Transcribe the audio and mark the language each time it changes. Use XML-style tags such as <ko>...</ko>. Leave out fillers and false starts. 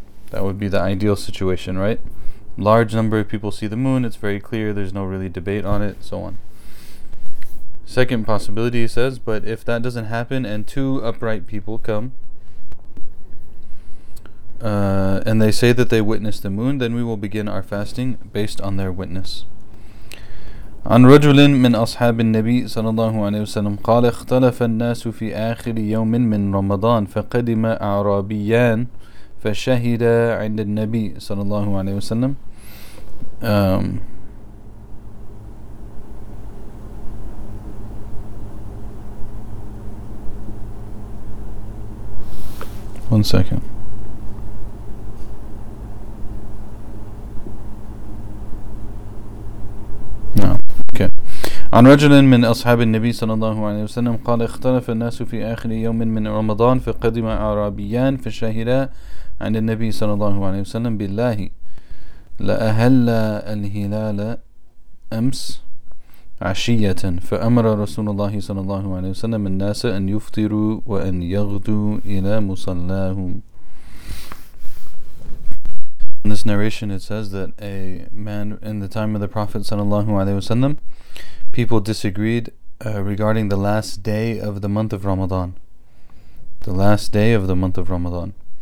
<en>That would be the ideal situation, right? Large number of people see the moon, it's very clear, there's no really debate on it, so on. Second possibility, he says, but if that doesn't happen and two upright people come and they say that they witnessed the moon, then we will begin our fasting based on their witness.</en> <ar>عن رجل من أصحاب النبي صلى الله عليه وسلم قال اختلف الناس في آخر يوم من رمضان فقدم أعرابيان فشهد عند النبي صلى الله عليه وسلم.</ar> <en>One second.</en> <ar>عن رجل من أصحاب النبي صلى الله عليه وسلم قال اختلف الناس في آخر يوم من رمضان فقدم أعرابيان فشهدا عند النبي صلى الله عليه وسلم بالله لأهل الهلال أمس عشية فأمر رسول الله صلى الله عليه وسلم الناس أن يفطروا وأن يغدوا إلى مصلاهم.</ar> <en>In this narration it says that a man in the time of the Prophet صلى الله عليه وسلم, people disagreed regarding the last day of the month of Ramadan. The last day of the month of Ramadan.</en>